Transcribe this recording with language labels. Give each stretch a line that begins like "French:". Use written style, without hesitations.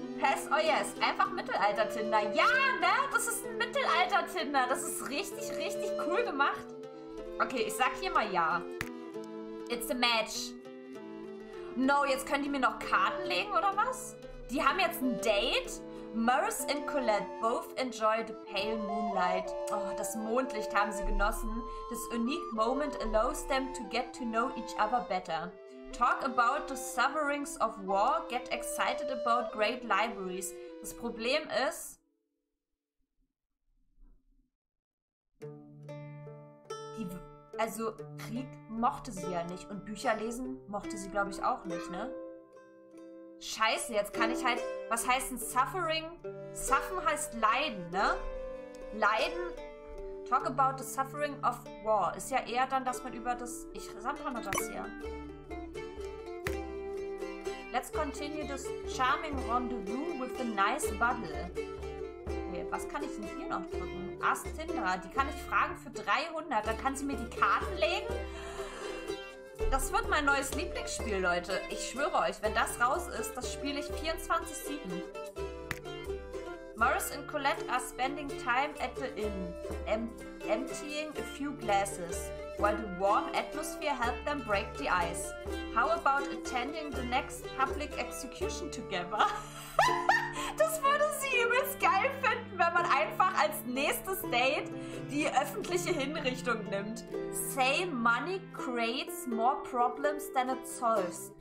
German: Pass,
English: oh yes,
German: einfach Mittelalter-Tinder. Ja, ne? Das ist ein Mittelalter-Tinder. Das ist richtig, richtig cool gemacht. Okay, ich sag hier mal ja.
English: It's a match.
German: No, jetzt können die mir noch Karten legen oder was? Die haben jetzt ein Date?
English: Morris and Colette both enjoy the pale moonlight.
German: Oh, das Mondlicht haben sie genossen.
English: This unique moment allows them to get to know each other better. Talk about the sufferings of war. Get excited about great libraries.
German: Das Problem ist... Also, Krieg mochte sie ja nicht. Und Bücher lesen mochte sie, glaube ich, auch nicht, ne? Scheiße, jetzt kann ich halt... Was heißt denn suffering? Suffen heißt leiden, ne? Leiden?
English: Talk about the suffering of war.
German: Ist ja eher dann, dass man über das... Ich sammle mal das hier.
English: Let's continue this charming rendezvous with a nice bottle.
German: Okay, was kann ich denn hier noch drücken?
English: Ask Tinder.
German: Die kann ich fragen für 300. Dann kann sie mir die Karten legen. Das wird mein neues Lieblingsspiel, Leute. Ich schwöre euch, wenn das raus ist, das spiele ich 24/7.
English: Morris und Colette are spending time at the inn, emptying a few glasses, while the warm atmosphere helped them break the ice. How about attending the next public execution together?
German: Das würde sie übelst geil finden, wenn man einfach als nächstes Date die öffentliche Hinrichtung nimmt.
English: Say money creates more problems than it solves.